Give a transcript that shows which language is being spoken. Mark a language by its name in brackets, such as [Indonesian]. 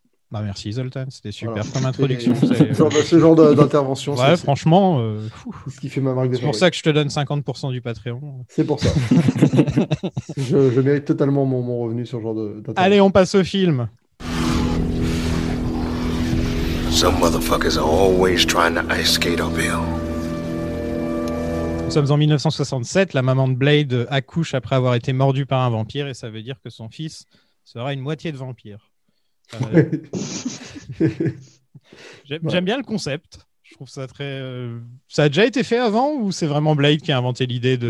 [French] Bah, merci Zoltan, c'était super comme introduction. C'est... Genre, ce genre d'intervention. Ouais, c'est... franchement. Ce qui fait ma marque c'est pour ça que je te donne 50% du Patreon. C'est pour ça. je mérite totalement mon revenu sur ce genre d'intervention. Allez, on passe au film. [English] Some motherfuckers are always trying to ice skate uphill. [French] Nous sommes en 1967, la maman de Blade accouche après avoir été mordue par un vampire et ça veut dire que son fils sera une moitié de vampire. J'aime bien le concept. Je trouve ça très. Ça a déjà été fait avant ou c'est vraiment Blade qui a inventé l'idée de.